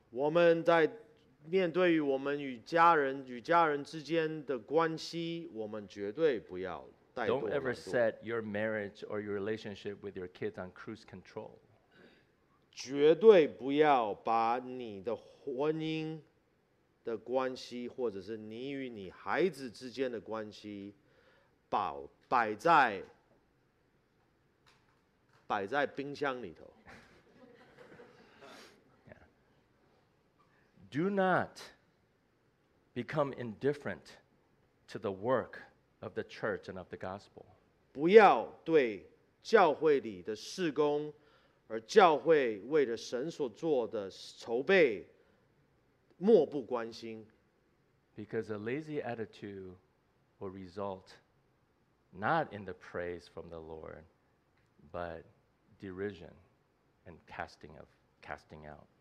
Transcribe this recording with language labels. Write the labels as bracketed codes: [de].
[zh] 我们在面对于我们与家人之间的关系，我们绝对不要怠惰。 [en] Don't ever set your marriage or your relationship with your kids on cruise control. [zh] 绝对不要把你的婚姻的关系，或者是你与你孩子之间的关系，摆在冰箱里头。 [en] Do not become indifferent to the work of the church and of the gospel. [zh] 不要对教会里的事工，而教会为着神所做的筹备，漠不关心。 [en] Because a lazy attitude will result not in the praise from the Lord, but derision and casting out.